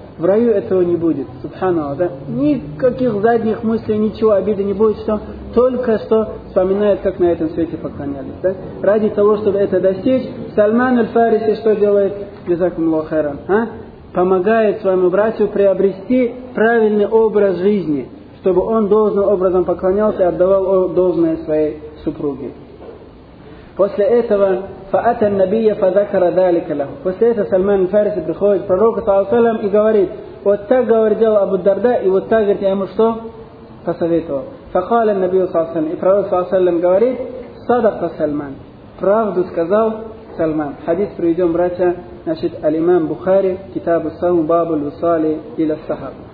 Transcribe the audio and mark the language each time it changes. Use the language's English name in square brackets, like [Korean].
[Russian] В раю этого не будет, субханаллах, да? Никаких задних мыслей, ничего, обиды не будет, что только что вспоминает, как на этом свете поклонялись, да? Ради того, чтобы это достичь, Сальман аль-Фариси что делает? Джазакумуллаху хайран, а? Помогает своему братью приобрести правильный образ жизни, чтобы он должным образом поклонялся и отдавал должное своей супруге. После этого [Arabic] فأتى النبي فذكر ذلك له. [Russian] После этого Сальман аль-Фариси приходит к пророку саллаллаху алейхи ва саллям и говорит: вот так, говорит, делал Абу Дарда, и вот так, говорит, я ему что посоветовал. [Arabic] فقال النبي صلى الله عليه وسلم, [Russian] и пророк саллаллаху алейхи ва саллям говорит: [Arabic] صدق سلمان, [Russian] правду сказал Сальман. Хадис приведем, братья, значит, аль-имам Бухари, китаб ас-саум, баб аль-вусали иля ас-сахаб.